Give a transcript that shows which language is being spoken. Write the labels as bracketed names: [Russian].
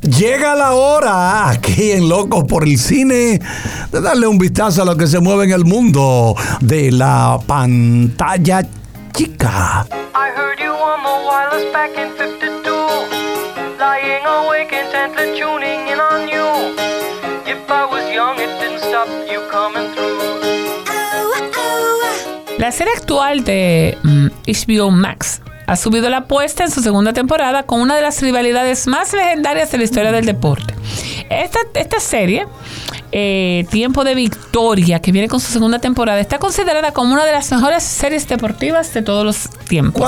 [Spanish] Llega la hora aquí en Locos por el Cine de darle un vistazo a lo que se mueve en el mundo de la pantalla chica. [English] I heard you on the wireless back in 52, lying awake intently tuning in on you. If I was young it didn't stop you coming through. [Spanish] La serie actual de HBO Max ha subido la apuesta en su segunda temporada con una de las rivalidades más legendarias de la historia del deporte. Esta serie, Tiempo de Victoria, que viene con su segunda temporada, está considerada como una de las mejores series deportivas de todos los tiempos.